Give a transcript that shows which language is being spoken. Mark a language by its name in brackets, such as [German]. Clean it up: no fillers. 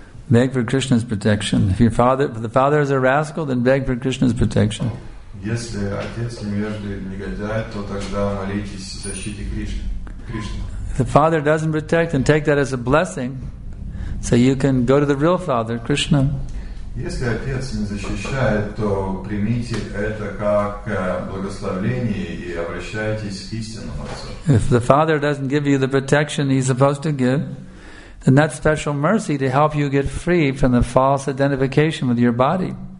[English] Beg for Krishna's protection. If your father, if the father is a rascal, then beg for Krishna's protection. [Russian] Если отец невежды, негодяй, то тогда молитесь о защите Кришны. [English] If the father doesn't protect, then take that as a blessing, so you can go to the real father, Krishna. [Russian] Если отец не защищает, то примите это как благословение и обращайтесь к истинному отцу. [English] If the father doesn't give you the protection he's supposed to give, then that's special mercy to help you get free from the false identification with your body.